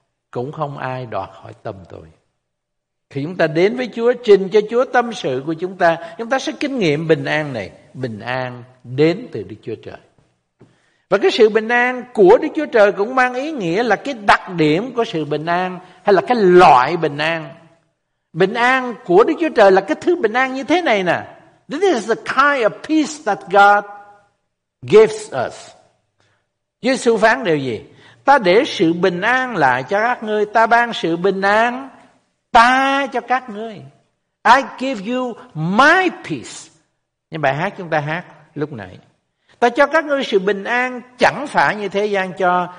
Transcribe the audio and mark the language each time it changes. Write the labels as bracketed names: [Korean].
[Vietnamese] Cũng không ai đoạt khỏi tâm tôi. Khi chúng ta đến với Chúa, trình cho Chúa tâm sự của chúng ta, chúng ta sẽ kinh nghiệm bình an này. Bình an đến từ Đức Chúa Trời. Và cái sự bình an của Đức Chúa Trời cũng mang ý nghĩa là cái đặc điểm của sự bình an, hay là cái loại bình an. Bình an của Đức Chúa Trời là cái thứ bình an như thế này nè. [English] This is the kind of peace that God gives us. [Vietnamese] Giê-xu phán điều gì? Ta để sự bình an lại cho các ngươi. Ta ban sự bình an ta cho các ngươi. [English] I give you my peace. [Vietnamese] Như bài hát chúng ta hát lúc nãy. Ta cho các ngươi sự bình an chẳng phải như thế gian cho.